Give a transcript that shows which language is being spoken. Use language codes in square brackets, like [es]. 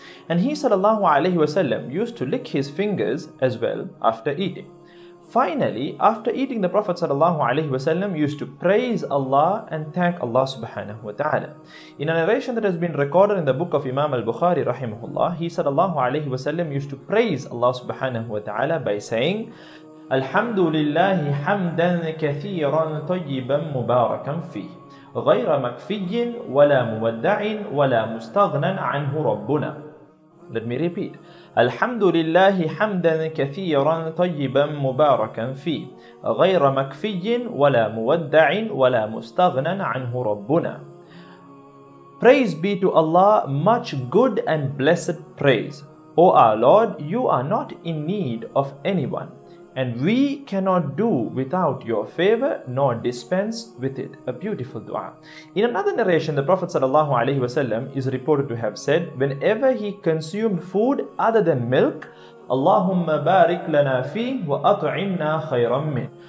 [en] And he sallallahu alaihi wasallam used to lick his fingers as well after eating. Finally, after eating, the Prophet sallallahu alaihi wasallam used to praise Allah and thank Allah subhanahu wa ta'ala. In a narration that has been recorded in the book of Imam al-Bukhari rahimahullah, he sallallahu alaihi wasallam used to praise Allah subhanahu wa ta'ala by saying, [ar] الحمد لله حمدا كثيرا طيبا مباركا فيه غير مكفي ولا مودع ولا مستغنى عنه ربنا. [en] Let me repeat. [ar] الحمد لله حمدا كثيرا طيبا مباركا فيه غير مكفي ولا مودع ولا مستغنى عنه ربنا. [en] Praise be to Allah, much good and blessed praise. O our Lord, you are not in need of anyone, and we cannot do without your favor nor dispense with it. A beautiful dua. In another narration, the Prophet sallallahu alaihi wasallam is reported to have said, whenever he consumed food other than milk, [ar] Allahumma barik lana fi wa at'imna khayran min.